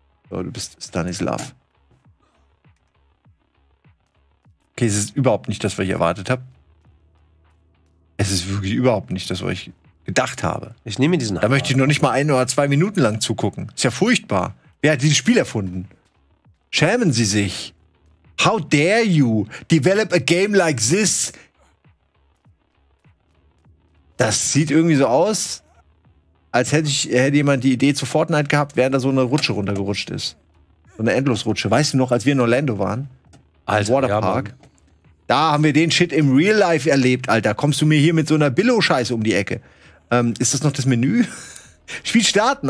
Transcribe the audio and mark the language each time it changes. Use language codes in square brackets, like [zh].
[de] So, du bist Stanislav. Okay, es ist überhaupt nicht das, was ich erwartet habe. Es ist wirklich überhaupt nicht das, was ich gedacht habe. Ich nehme diesen Hammer. Da möchte ich noch nicht mal ein oder zwei Minuten lang zugucken. Ist ja furchtbar. Wer hat dieses Spiel erfunden? Schämen Sie sich. [en] How dare you develop a game like this? [de] Das sieht irgendwie so aus, als hätte jemand die Idee zu Fortnite gehabt, während da so eine Rutsche runtergerutscht ist. So eine Endlosrutsche. Weißt du noch, als wir in Orlando waren? Alter, Waterpark. Ja, da haben wir den Shit im Real Life erlebt, Alter. Kommst du mir hier mit so einer Billo-Scheiße um die Ecke? Ist das noch das Menü? Spiel starten.